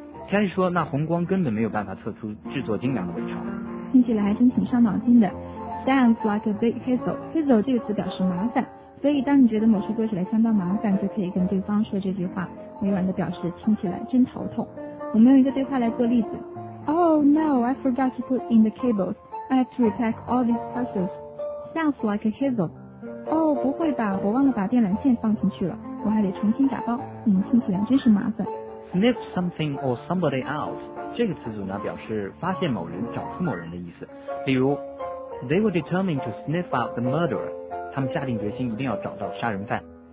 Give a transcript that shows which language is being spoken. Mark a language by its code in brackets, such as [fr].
[zh] Kelly 说那红光根本没有办法测出制作精良的伪钞。听起来还真挺伤脑筋的。 [en] Sounds like a big hassle. [zh] Hassle 这个词表示麻烦，所以当你觉得某事做起来相当麻烦，就可以跟对方说这句话，委婉地表示听起来真头痛。我们用一个对话来做例子。 [en] Oh no, I forgot to put in the cables. I have to repack all these parcels. Sounds like a hassle. [zh] 哦，不会吧，我忘了把电缆线放进去了，我还得重新打包。听起来真是麻烦。 [en] Sniff something or somebody out， [zh] 这个词组呢表示发现某人找出某人的意思。比如 [en] They were determined to sniff out the murderer， [zh] 他们下定决心一定要找到杀人犯。